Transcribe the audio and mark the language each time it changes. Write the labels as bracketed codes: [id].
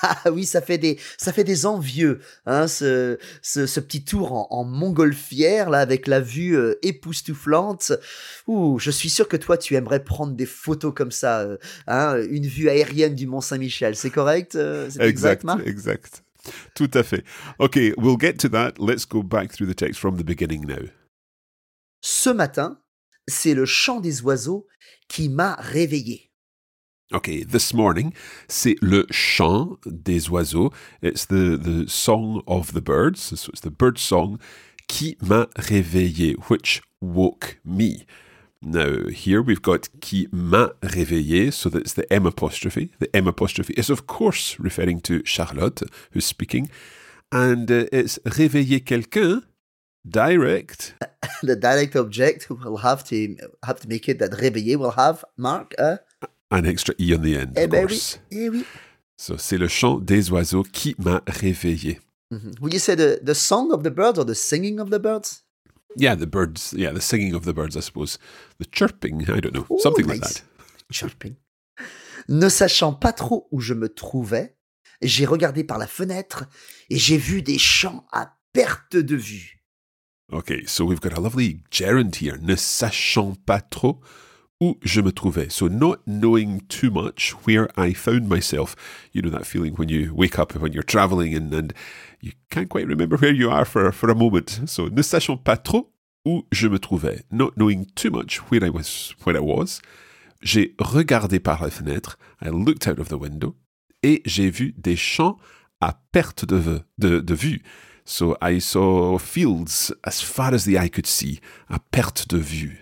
[fr] Oui, ça fait des envieux, hein, ce petit tour en montgolfière là avec la vue époustouflante. Ouh, je suis sûr que toi tu aimerais prendre des photos comme ça, hein, une vue aérienne du Mont-Saint-Michel, c'est correct? Exact. Tout à fait. [en] OK, we'll get to that. Let's go back through the text from the beginning now. [fr] Ce matin, c'est le chant des oiseaux qui m'a réveillé. [en] OK, this morning, [fr] c'est le chant des oiseaux. [en] It's the song of the birds. So it's the bird song [fr] qui m'a réveillé, [en] which woke me. Now, here we've got [fr] qui m'a réveillé, [en] so that's the M apostrophe. The M apostrophe is, of course, referring to Charlotte, who's speaking. And it's [fr] réveiller quelqu'un, [en] direct. The direct object will have to make it that réveiller will have, Mark, an extra E on the end, of course. [fr] Oui. So, c'est le chant des oiseaux qui m'a réveillé. Mm-hmm. [en] Would you say the song of the birds or the singing of the birds? Yeah, the birds. Yeah, the singing of the birds, I suppose. The chirping, I don't know. Ooh, something nice. Like that. Chirping. [fr] Ne sachant pas trop où je me trouvais, j'ai regardé par la fenêtre et j'ai vu des champs à perte de vue. [en] Okay, so we've got a lovely gerund here. [fr] Ne sachant pas trop où je me trouvais. [en] So not knowing too much where I found myself. You know that feeling when you wake up, when you're traveling and you can't quite remember where you are for a moment. [fr] So ne sachant pas trop où je me trouvais. [en] Not knowing too much where I was. [fr] J'ai regardé par la fenêtre. [en] I looked out of the window. [fr] Et j'ai vu des champs à perte de vue. [en] So I saw fields as far as the eye could see, [fr] à perte de vue.